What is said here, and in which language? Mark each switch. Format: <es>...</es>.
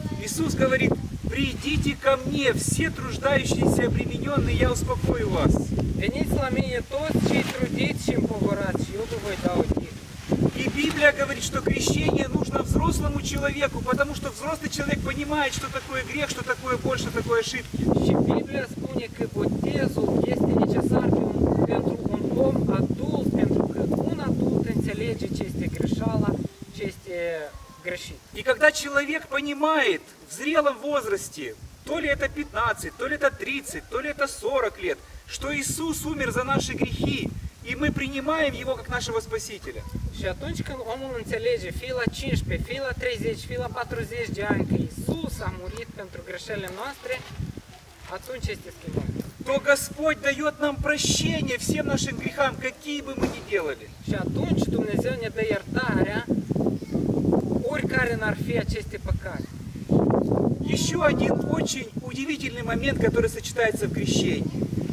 <ru>Иисус говорит, придите ко мне, все труждающиеся обремененные, я успокою вас. Венец ломение тот, чей трудит, чем поворот, чьё бы вы дал ей. И Библия говорит, что крещение нужно взрослому человеку, потому что взрослый человек понимает, что такое грех, что такое боль, что такое ошибки.</ru> <ro>Și Biblia spune că botezul este necesar pentru un om adult, pentru că un adult înțelege ce este greșeală, ce este greșit.</ro> <ru>И когда человек понимает в зрелом возрасте, то ли это 15, то ли это 30, то ли это 40 лет, что Иисус умер за наши грехи, и мы принимаем Его как нашего Спасителя.</ru> <ro>Și atunci când omul înțelege, fie la 15, fie la 30, fie la 40 de ani, că Iisus a murit pentru greșelile noastre, atunci este schimbat.</ro> <ru>То Господь дает нам прощение всем нашим грехам, какие бы мы ни делали.</ru> <ro>Și atunci Dumnezeu ne dă iertarea, oricare n-ar fi aceste păcate.</ro> <ru>Еще один очень удивительный момент, который сочетается в крещении.</ru>